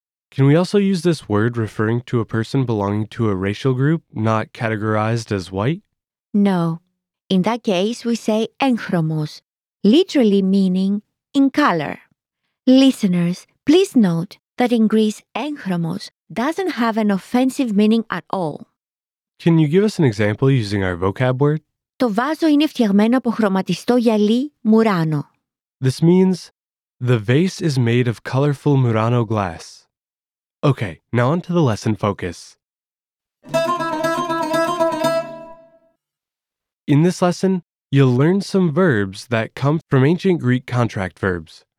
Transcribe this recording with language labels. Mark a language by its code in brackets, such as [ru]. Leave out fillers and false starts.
[en] Can we also use this word referring to a person belonging to a racial group not categorized as white? No. In that case, we say enchromos, literally meaning in color. Listeners, please note that in Greece, enchromos doesn't have an offensive meaning at all. Can you give us an example using our vocab word? [el] Το βάζο είναι φτιαγμένο από χρωματιστό γυαλί Murano. [en] This means, the vase is made of colorful Murano glass. Okay, now on to the lesson focus. In this lesson, you'll learn some verbs that come from ancient Greek contract verbs.